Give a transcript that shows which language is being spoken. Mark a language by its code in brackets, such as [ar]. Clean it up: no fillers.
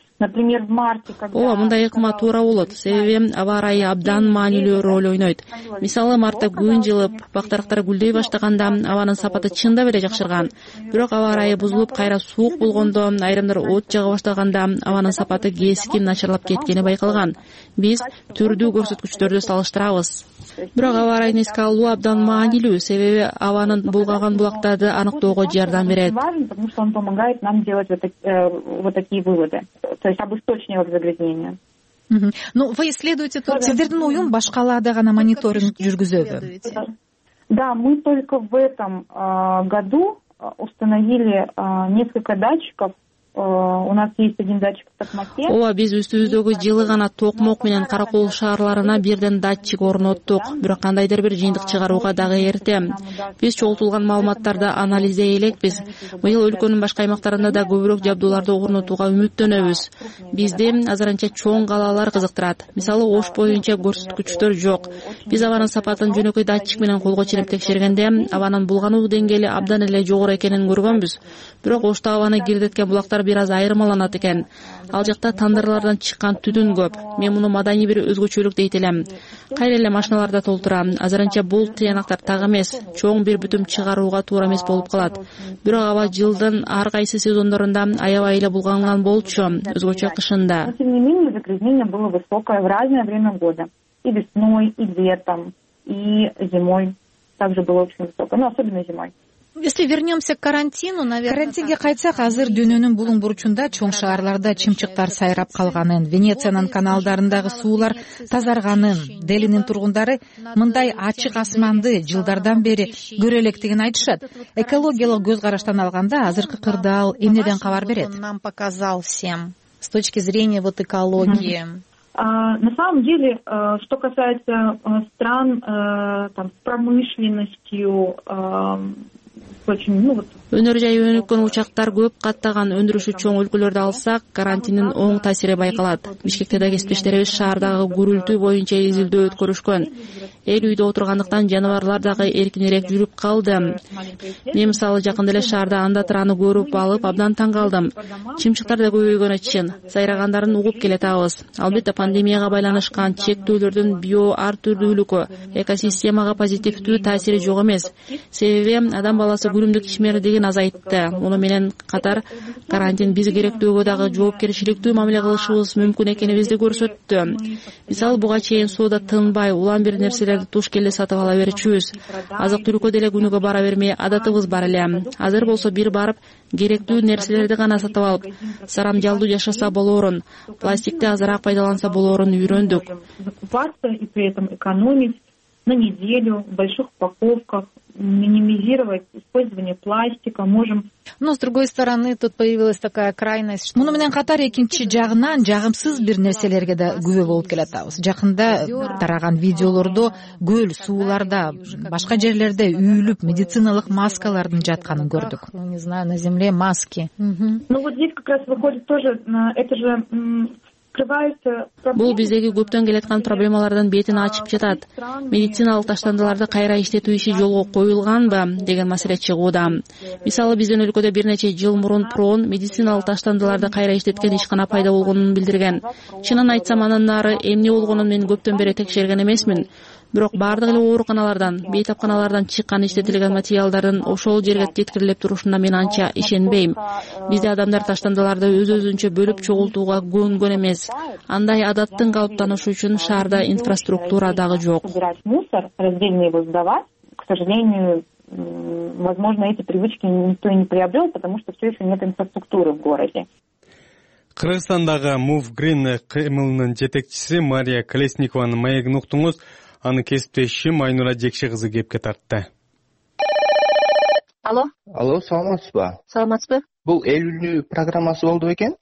[ru] Например, в марте, когда [ky] ооба, мындай ыкма туура болот. Себеби аба ырайы абдан маанилүү роль ойнойт. Мисалы, мартта күн жылып, бак дарактар гүлдөй баштаганда абанын сапаты чындап эле жакшырган. Бирок аба ырайы бузулуп, кайра суук болгондо, айрымдар от жага баштаганда абанын сапаты кескин начарлап кеткени байкалган. Биз түрдүү көрсөткүчтөрдү салыштырабыз. Бирок аба ырайын эске алуу абдан маанилүү, себеби абанын булгаган булактарды аныктоого жардам берет. [ru] Потому что он помогает нам делать вот такие выводы. То есть об источниках загрязнения. Ну, вы исследуете тут [ky] сиздердин уюм башкаларды гана мониторинг жүргүзөбү? [ru] Да, мы только в этом году установили несколько датчиков У нас есть один датчик в Токмаке. [ky] Ооба, биз үстүбүздөгү жылы гана Токмок менен Каракол шаарларына бирден датчик орноттук. Бирок кандайдыр бир жыйынтык чыгарууга дагы эрте. Биз чогултулган маалыматтарды анализдейлекпиз. Быйыл өлкөнүн башка аймактарында да көбүрөөк жабдууларды орнотууга үмүттөнөбүз. Бизди азырынча чоң калалар кызыктырат. Мисалы, Ош боюнча көрсөткүчтөр жок. Биз абанын сапатын жөнөкөй датчик менен колго чилип текшергенде абанын булгануу деңгээли абдан эле жогору экенин көргөнбүз. Бирок Ошто абаны кирдеткен булактар бир аз айырмаланат экен. Ал жакта тандырлардан чыккан түтүн көп. Мен муну маданий бир өзгөчөлүк дейт элем. Кайра эле машиналарда толтурам. Азырынча бул тыянактар так эмес. Чоң бир бүтүм чыгарууга туура эмес болуп калат. Бирок аба жылдын ар кайсы сезондорунда аябай эле булганган болчу, өзгөчө кышында. [ru] Тем не менее, загрязнение было высокое в разное время года. И весной, и летом, и зимой также было очень высокое, но особенно зимой. Если вернемся к карантину, наверное... [ky] Карантинге кайтсак, азыр дүйнөнүн булуң бурчунда чоң шаарларда чымчыктар сайрап калганын, Венециянын каналдарындагы суулар тазарганын, Делинин тургундары мындай ачык асманды жылдардан бери көрө электигин айтышат. Экологиялык көз караштан алганда, азыркы кырдаал эмнеден кабар берет? [ru] Он нам показал всем с точки зрения вот экологии. На самом деле, что касается стран там, с промышленностью... [ky] Өнөр жай өнүккөн учактар көп каттаган өндүрүшү чоң өлкөлөрдү алсак, карантиндин оң таасири байкалат. Бишкекте да кесиптештерибиз шаардагы гүрүлтүү боюнча изилдөө өткөрүшкөн. Эл үйдө отургандыктан жаныбарлар дагы эркинирээк жүрүп калды. Мен мисалы жакында эле шаарда анда тыраны көрүп алып абдан таң калдым. Чымчыктар да көбөйгөнү чын. Сайрагандарын угуп келатабыз. Албетте пандемияга байланышкан чектөөлөрдүн био ар түрдүүлүгү экосистемага позитивдүү таасири жок эмес. Себеби адам баласы күлүмдүк ишмердигин азайтты. Муну менен катар карантин биз керектөөгө дагы жоопкерчиликтүү мамиле кылышыбыз мүмкүн экенибизди көрсөттү. Мисалы, буга чейин соода тынбай, улам бир нерселерди туш келе сатып ала берчүбүз. Азык түлүккө деле күнүгө бара бермей адатыбыз бар эле. Азыр болсо бир барып керектүү нерселерди гана сатып алып, сарамжалдуу жашаса болоорун, пластикти азыраак пайдаланса болоорун үйрөндүк. [ru] Закупаться и при этом экономить на неделю в больших упаковках. Минимизировать использование пластика можем. Но с другой стороны, тут появилась такая крайность. [ky] Муну менен катар экинчи жагынан жагымсыз бир нерселерге да күбө болуп келатабыз. Жакында тараган видеолордо көл, сууларда, башка жерлерде үйүлүп медициналык маскалардын жатканын көрдүк. [ru] Не знаю, на земле маски. Ну вот здесь как раз выходит тоже это же [ky] Бул биздеги көптөн келаткан проблемалардын бетин ачып жатат. Медициналык таштандыларды кайра иштетүү иши жолго коюлганбы деген маселе чыгууда. Мисалы, биздин өлкөдө бир нече жыл мурун прон медициналык таштандыларды кайра иштеткен ишкана пайда болгонун билдирген. Чынын айтсам, анын нары эмне болгонун мен көптөн бери текшерген эмесмин. Бирок баардык эле ооруканалардан, бейтапканалардан чыккан иштетилген материалдардын ошол жерге жеткирилип турушуна мен анча ишенбейм. Бизде адамдар таштандыларды өз-өзүнчө бөлүп чогултууга көнгөн эмес. Андай адаттын калыптанышы үчүн шаарда инфраструктура дагы жок. [ru] Собирать мусор, раздельно его сдавать. К сожалению, возможно, эти привычки никто не приобрел, потому что все еще нет инфраструктуры в городе. [ky] Кыргызстандагы Move Green кыймылынын жетекчиси Мария Колесникованын маегин уктуңуз. Аны кесиптешим Айнура Жекши кызы кепке тартты. Алло. Алло, саламатсызбы? Саламатсызбы? Бул эл үнүү программасы болду экен?